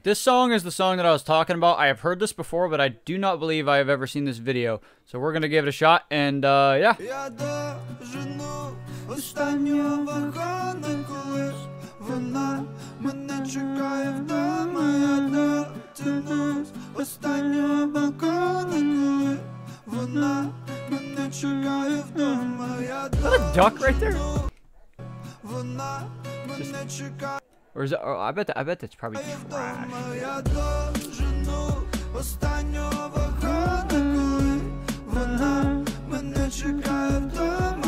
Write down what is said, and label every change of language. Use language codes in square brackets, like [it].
[en] This song is the song that I was talking about. I have heard this before, but I do not believe I have ever seen this video. So we're going to give it a shot. And yeah. [uk] Я дожену останнього вагона, коли ж вона мене чекає вдома. Я дожену останнього вагона, коли вона мене чекає вдома. Я дожену. [en] Is that a duck right there? [uk] Вона мене чекає. [en] Or is it, oh, I bet it's probably trash.